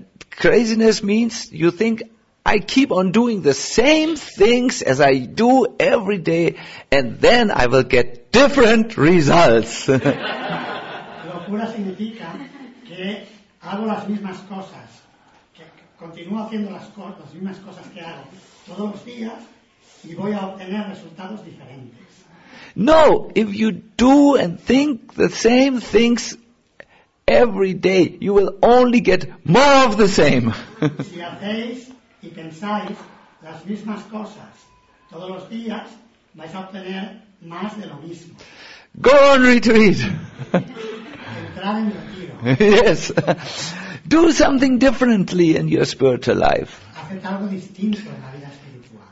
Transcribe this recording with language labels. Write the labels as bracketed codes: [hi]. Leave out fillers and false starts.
[en] Craziness means you think, "I keep on doing the same things as I do every day, and then I will get different results." [es] Locura significa que hago las mismas cosas, que continúo haciendo las mismas cosas que hago todos los días y voy a obtener resultados diferentes. [en] No, if you do and think the same things every day, you will only get more of the same. [es] Si hacéis y pensáis las mismas cosas todos los días, vais a obtener más de lo mismo. [en] Go on retreat. [es] Entrar en retiro. [en] Yes. Do something differently in your spiritual life. [es] Haced algo distinto en la vida espiritual.